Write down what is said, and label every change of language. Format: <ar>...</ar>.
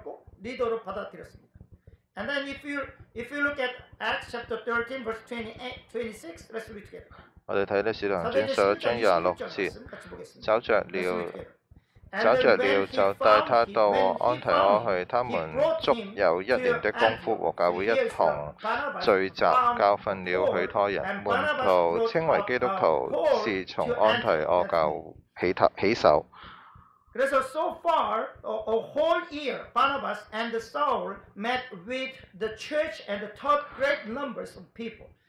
<en>And then if you look at Acts chapter 13 verse 26, let's read together.</en> <yue>我哋睇呢《使徒行傳》16章26節，走着了，就帶他到安提阿去，他們足有一年的功夫和教會一同聚集，教訓了許多人。門徒稱為基督徒，是從安提阿教起手。</yue> <en>그래서 so far a whole year Barnabas and the Saul met with the church and taught great numbers of people.</en>